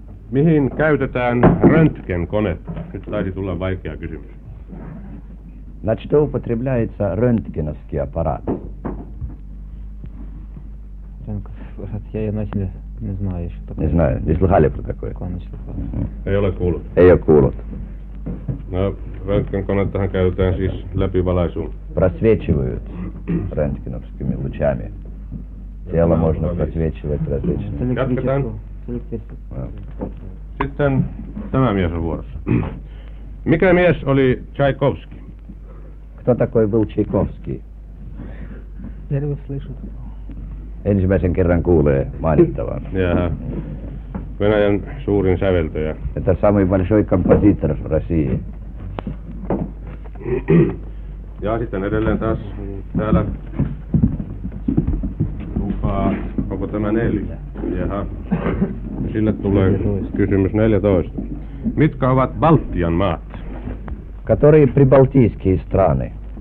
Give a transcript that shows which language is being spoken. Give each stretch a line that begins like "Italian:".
Finnish: Mihin käytetään röntgenkonetta? Nyt taisi tulla vaikea kysymys.
Russian: На что употребляется röntgenovский аппарат? Не знаю, не слыхали про такое?
Finnish: Ei ole kuullut. Ei ole kuullut. No, röntgenkonettahan käytetään siis läpivalaisuun.
Russian: Просвечивают рентгеновскими лучами. Тело можно просвечивать различными.
Finnish: Jatketaan. Sitten tämä mies on vuorossa. Mikä mies oli Чайковский?
Russian: Кто такой был Чайковский? Первый слышу.
Finnish: Ensimmäisen kerran kuulee mainittavan. Jaha. Venäjän suurin säveltäjä.
Russian: Это самый большой композитор в России.
Finnish: Ja sitten edelleen taas täällä lupaa, onko tämä 4? Jaha, sille tulee kysymys 14. Mitkä ovat Baltian maat?
Russian: Которые прибалтийские страны?